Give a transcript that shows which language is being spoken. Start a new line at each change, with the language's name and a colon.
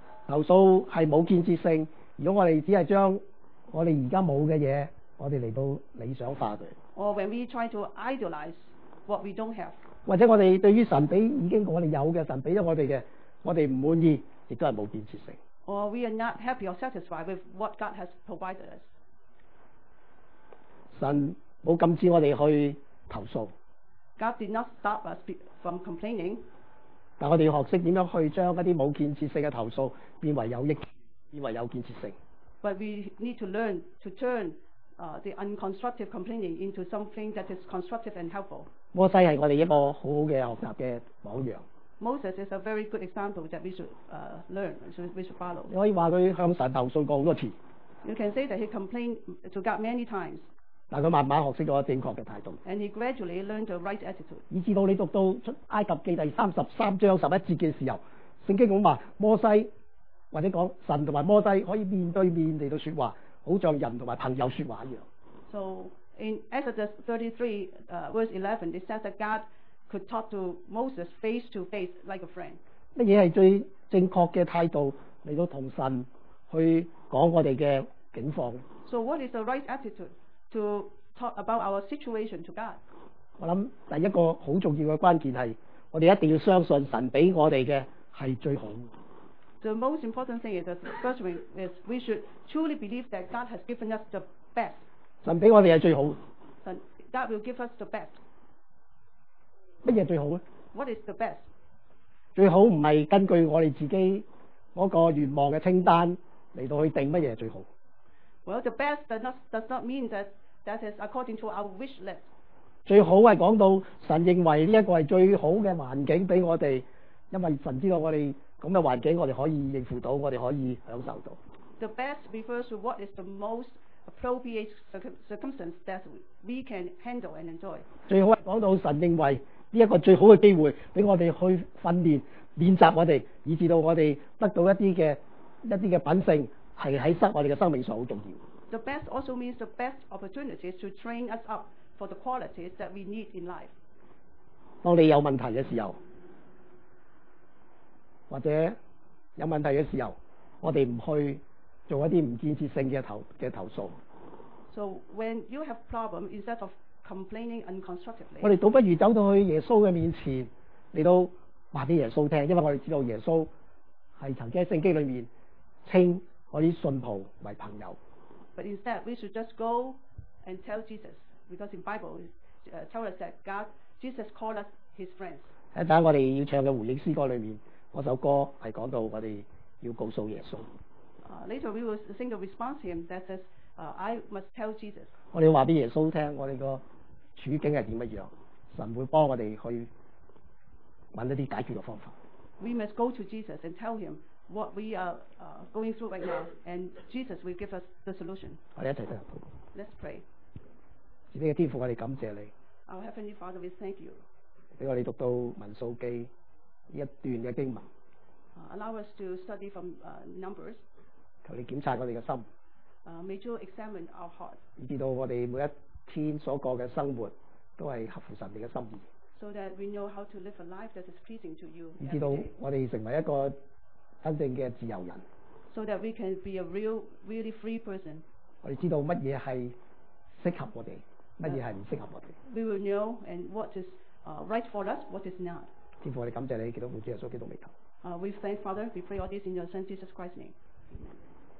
Cantonese: 投訴係冇建設性，如果我哋只係將我哋而家冇嘅嘢，我哋嚟到理想化佢。
English: Or when we try to idolize what we don't have.
Cantonese: 或者我哋對於神俾已經我哋有嘅，神俾咗我哋嘅，我哋唔滿意，亦都係冇建設性。
English: Or we are not happy or satisfied with what God has provided us.
Cantonese: 神冇禁止我哋去投訴。
English: God did not stop us from complaining.
Cantonese: 但我哋要学识点样去将一啲冇建设性嘅投诉变为有益，变为有建设性。
English: But we need to learn to turn the unconstructive complaining into something that is constructive and helpful.
Cantonese: 摩西系我哋一个好好嘅学习嘅榜样。
English: Moses is a very good example that we should learn, we should follow.
Cantonese: 你可以话佢向神投诉过好多次。
English: You can say that he complained to God many times.
Cantonese: 但他慢慢學識了正確的態度。
English: And he gradually learned the right attitude.
Cantonese: 以至到你讀到出埃及記第33章11節的時候，聖經咁話，摩西或者講神同埋摩西可以面對面地到説話，好像人同埋朋友説話一樣。
English: So in Exodus 33:11, it says that God could talk to Moses face to face like a friend.
Cantonese: 乜嘢係最正確嘅態度嚟到同神去講我哋嘅境況
English: ？So what is the right attitude to talk about our situation to God？
Cantonese: 我諗第一個好重要嘅關鍵係，我哋一定要相信神俾我哋嘅係最好。
English: The most important thing is the first thing is we should truly believe that God has given us the best。
Cantonese: 神俾我哋係最好。
English: 神 ，God will give us the best。
Cantonese: 乜嘢最好
English: 咧 ？What is the best？
Cantonese: 最好唔係根據我哋自己嗰個願望嘅清單嚟到去定乜嘢最好。
English: Well, the best does not mean that is according to our wish list。
Cantonese: 最好係講到神認為呢一個係最好嘅環境俾我哋，因為神知道我哋咁嘅環境，我哋可以應付到，我哋可以享受到。
English: The best refers to what is the most appropriate circumstance that we can handle and enjoy。
Cantonese: 最好係講到神認為呢一個最好嘅機會俾我哋去訓練。練習我哋，以致到我哋得到一啲嘅品性，係喺我哋嘅生命上好重要。
English: The best also means the best opportunities to train us up for the qualities that we need in life。
Cantonese: 當你有問題嘅時候，或者有問題嘅時候，我哋唔去做一啲唔建設性嘅投訴。
English: So when you have problem, instead of complaining unconstructively，
Cantonese: 我哋倒不如走到去耶穌嘅面前嚟到。話俾耶穌聽，因為我哋知道耶穌係曾經喺聖經裏面稱嗰啲信徒為朋友。
English: But instead, we should just go and tell Jesus, because in Bible, tell us that God, Jesus called us His friends.
Cantonese: 喺等下我哋要唱嘅回應詩歌裏面，嗰首歌係講到我哋要告訴耶穌。
English: Later we will sing the response hymn that says, "I must tell Jesus."
Cantonese: 我哋話俾耶穌聽，我哋個處境係點乜樣，神會幫我哋去。找一些解決的方法。
English: We must go to Jesus and tell him what we are going through right now, and Jesus will give us the solution.
Cantonese: 我們一起祷告。
English: Let's pray.
Cantonese: 主你的天父，我們感謝你。
English: Our Heavenly Father, we thank you.
Cantonese: 讓我們讀到《民數記》一段的經文。
English: Allow us to study from Numbers.
Cantonese: 求你檢查我們的心。
English: May you examine our hearts.
Cantonese: 以至到我們每一天所過的生活都是合乎神的心意。
English: So that we know how to live a life that is pleasing to you.
Cantonese: 以致到我哋成為一個真正嘅自由人。
English: So that we can be a real, really free person.
Cantonese: 我哋知道乜嘢係適合我哋，乜嘢係唔適合我哋。
English: We will know and what is right for us, what is not.
Cantonese: 天父，我哋感謝你，基督奉主耶穌基督名求。
English: We thank Father. We pray all this in your Son Jesus Christ's name. Amen.